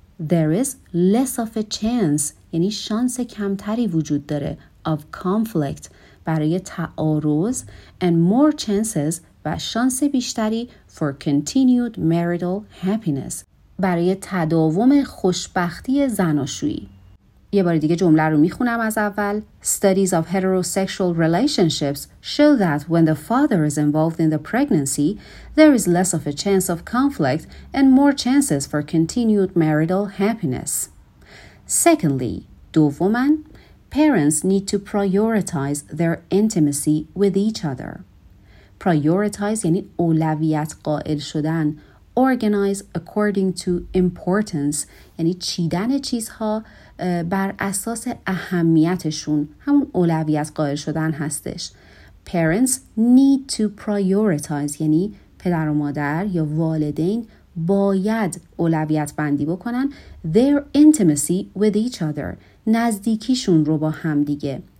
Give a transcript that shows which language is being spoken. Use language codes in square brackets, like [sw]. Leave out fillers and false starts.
[en] There is less of a chance، [fa] یعنی شانس کمتری وجود داره [en] of conflict، [fa] برای تعارض، [en] and more chances، [fa] و شانس بیشتری [en] for continued marital happiness، [fa] برای تداوم خوشبختی زناشویی. یه بار دیگه جمله رو میخونم از اول. [en] Studies of heterosexual relationships show that when the father is involved in the pregnancy, there is less of a chance of conflict and more chances for continued marital happiness. Secondly, دومن, parents need to prioritize their intimacy with each other. [fa] Prioritize یعنی اولویت قائل شدن. [en] Organize according to importance [fa] یعنی چیدن چیزها بر اساس اهمیتشون، همون اولویت قائل شدن هستش. [en] Parents need to prioritize [fa] یعنی پدر و مادر یا والدین باید اولویت بندی بکنن [en] their intimacy with each other، [fa] نزدیکیشون رو با هم دیگه.